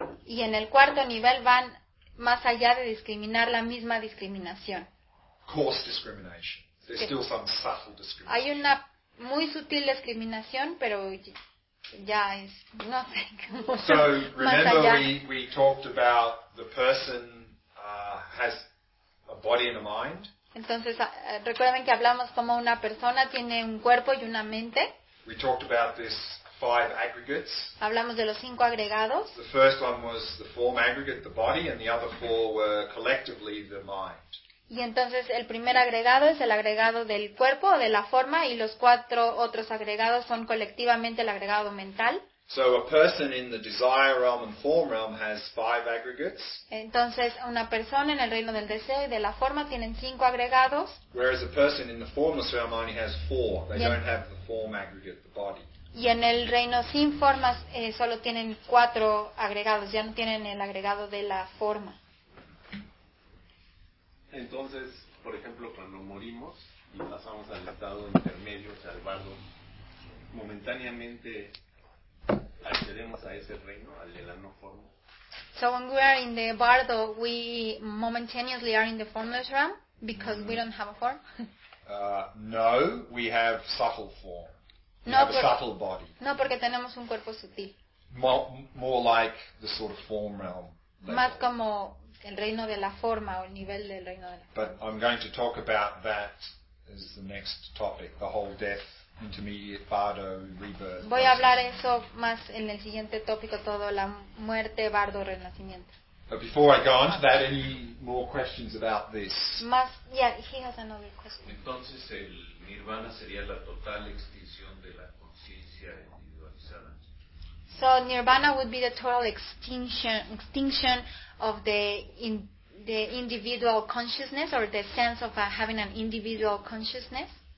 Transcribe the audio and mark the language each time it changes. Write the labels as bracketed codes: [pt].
[es] Y en el cuarto nivel van más allá de discriminar la misma discriminación. [en] Coarse discrimination. There's still some subtle discrimination. [es] Hay una muy sutil discriminación, pero ya es nothing. [en] So remember, we talked about the person has a body and a mind. [es] Entonces, recuerden que hablamos como una persona tiene un cuerpo y una mente. [en] We talked about this five aggregates. [es] Hablamos de los cinco agregados. [en] The first one was the form aggregate, the body, and the other four were collectively the mind. [es] Y entonces el primer agregado es el agregado del cuerpo o de la forma, y los cuatro otros agregados son colectivamente el agregado mental. [en] So a person in the desire realm and form realm has five aggregates. [es] Entonces, una persona en el reino del deseo y de la forma tienen cinco agregados. [en] Whereas a person in the formless realm only has four. They don't have the form aggregate, the body. [es] Y en el reino sin formas solo tienen cuatro agregados. Ya no tienen el agregado de la forma. Entonces, por ejemplo, cuando morimos y pasamos al estado intermedio, salvado, momentáneamente accedemos a ese reino, al de la no forma. [en] So when we are in the bardo, we momentaneously are in the formless realm because we don't have a form. No, we have subtle form. We have a subtle body. [es] No, porque tenemos un cuerpo sutil. [en] More like the sort of form realm. [es] Más como el reino de la forma o el nivel del reino de la forma. [en] But I'm going to talk about that as the next topic, the whole death. Intermediate bardo rebirth. [es] Voy a hablar eso más en el siguiente tópico, todo la muerte, bardo, renacimiento. [en] But before I go on to that, any more questions about this? He has another question. [es] Entonces el nirvana sería la total extinción de la conciencia individualizada. [en] So nirvana would be the total extinction of the individual consciousness, or the sense of having an individual consciousness.